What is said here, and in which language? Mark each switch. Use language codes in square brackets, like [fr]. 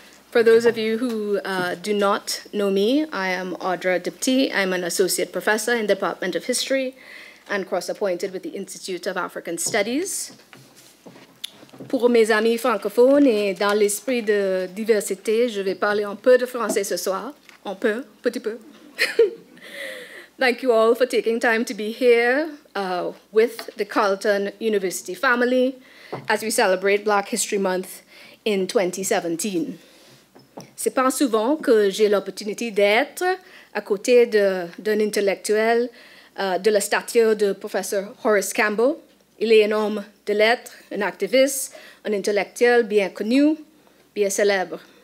[en] For those of you who do not know me, I am Audra Dipti. I'm an associate professor in the Department of History and cross-appointed with the Institute of African Studies. [fr] Pour mes amis francophones et dans l'esprit de diversité, je vais parler un peu de français ce soir. Un peu, petit peu. [en] Thank you all for taking time to be here with the Carleton University family as we celebrate Black History Month in 2017. [fr] C'est pas souvent que j'ai l'opportunité d'être à côté d'un intellectuel de la stature de professeur Horace Campbell. Il est un homme de lettres, un activiste, un intellectuel bien connu, bien célèbre.